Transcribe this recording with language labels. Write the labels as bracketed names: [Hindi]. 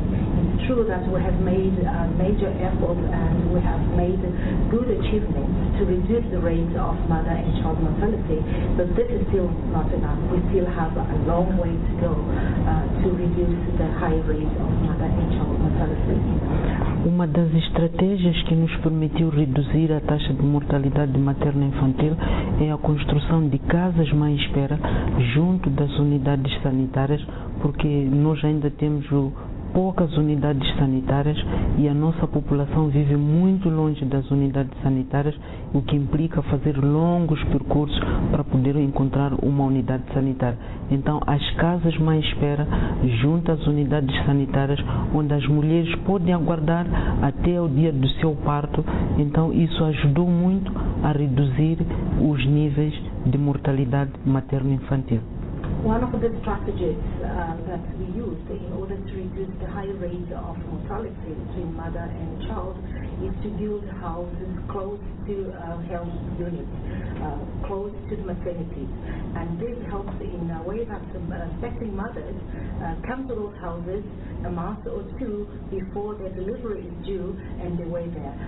[English] It's true that we have made a major effort and we have made good achievements to reduce the rate of mother and child mortality, but this is still not enough. We still have a long way to go to reduce the high rate of mother and child mortality. [Portuguese] Uma das estratégias que nos permitiu reduzir a taxa de mortalidade materno-infantil é a construção de casas mãe espera junto das unidades sanitárias, porque nós ainda temos poucas unidades sanitárias e a nossa população vive muito longe das unidades sanitárias, o que implica fazer longos percursos para poder encontrar uma unidade sanitária. Então, as casas mãe espera junto às unidades sanitárias, onde as mulheres podem aguardar até o dia do seu parto. Então, isso ajudou muito a reduzir os níveis de mortalidade materno-infantil. [English] One of the strategies that we used in order to reduce the high rate of mortality between mother and child is to build houses close to health units, close to the maternities. And this helps in a way that expecting mothers come to those houses a month or two before their delivery is due and they wait there.